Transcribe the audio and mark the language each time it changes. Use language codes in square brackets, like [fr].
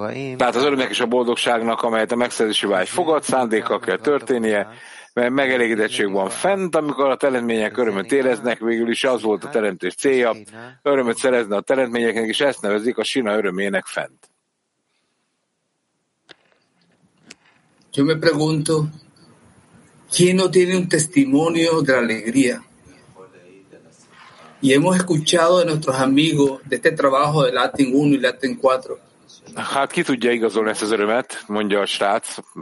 [hu] Tehát az örömnek és a boldogságnak, amelyet a megszerzési vágy fogad, szándékkal kell történnie, mert megelégedettség van fent, amikor a teremtmények örömöt éreznek, végül is az volt a teremtés célja, örömöt szerezni a teremtményeknek, és ezt nevezik a Sina örömének fent. [es] Yo me pregunto, ¿quién no tiene un testimonio de alegría? Y hemos escuchado de nuestros amigos de este trabajo de Latin 1 y Latin 4. [hu] Hát ki tudja igazolni ezt az örömet, mondja a srác.